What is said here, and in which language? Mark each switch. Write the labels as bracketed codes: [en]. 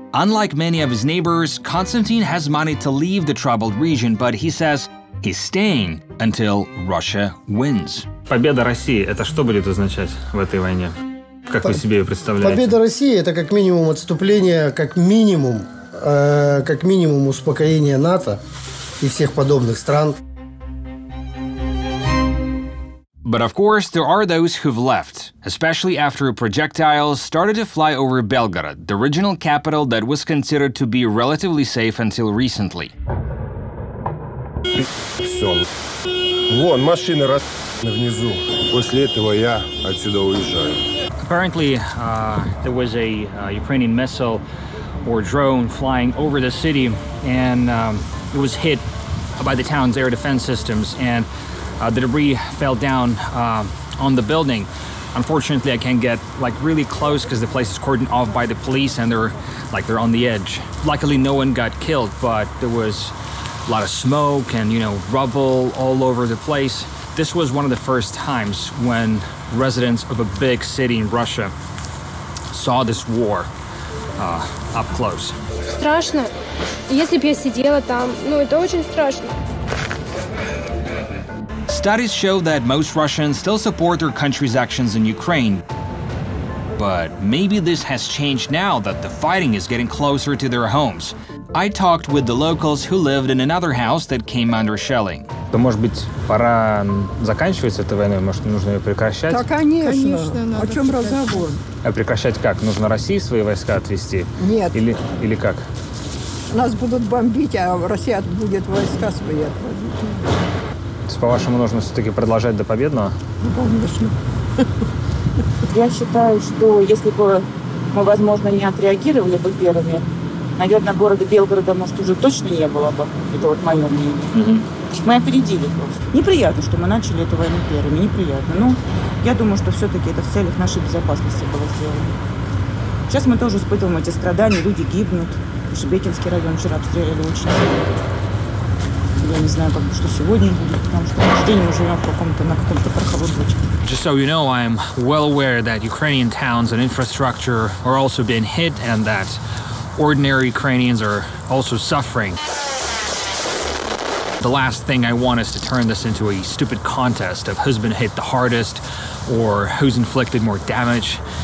[en] Unlike many of his neighbors, Konstantin has money to leave the troubled region, but he says he's staying until Russia wins. [ru] Победа России, это что будет означать в этой войне? Как вы себе ее представляете? Победа России – это как минимум отступление, как минимум успокоение НАТО и всех подобных стран. [en] But of course, there are those who've left, especially after projectiles started to fly over Belgorod, the original capital that was considered to be relatively safe until recently. [ru] Все. Вон машины внизу. После этого я отсюда уезжаю. [en] Apparently, there was a Ukrainian missile or drone flying over the city, and it was hit by the town's air defense systems, and the debris fell down on the building. Unfortunately, I can't get like really close because the place is cordoned off by the police, and they're on the edge. Luckily, no one got killed, but there was a lot of smoke and, you know, rubble all over the place. This was one of the first times when residents of a big city in Russia saw this war up close. [ru] Страшно. Если б я сидела там, ну это очень страшно. [en] Studies show that most Russians still support their country's actions in Ukraine. But maybe this has changed now that the fighting is getting closer to their homes. I talked with the locals who lived in another house that came under shelling. [ru] То, может быть, пора заканчивать эту войну, может, нужно ее прекращать? Да, конечно. О чем разговор? А прекращать как? Нужно России свои войска отвести? Нет. Или как? Нас будут бомбить, а Россия будет войска свои отводить. То есть, по-вашему, нужно все-таки продолжать до победного? Ну, конечно. Я считаю, что если бы мы, возможно, не отреагировали бы первыми, наверное, города Белгорода, может, уже точно не было бы. Это вот мое мнение. Mm-hmm. Мы опередили просто. Неприятно, что мы начали эту войну первыми. Неприятно. Но я думаю, что все-таки это в целях нашей безопасности было сделано. Сейчас мы тоже испытываем эти страдания. Люди гибнут. Шебекинский район вчера обстреляли очень сильно. Я не знаю, как бы, что сегодня будет, потому что каждый день мы живем на каком-то проходочке. [en] Just so you know, I am well aware that Ukrainian towns and infrastructure are also being hit, and that ordinary Ukrainians are also suffering. The last thing I want is to turn this into a stupid contest of who's been hit the hardest or who's inflicted more damage.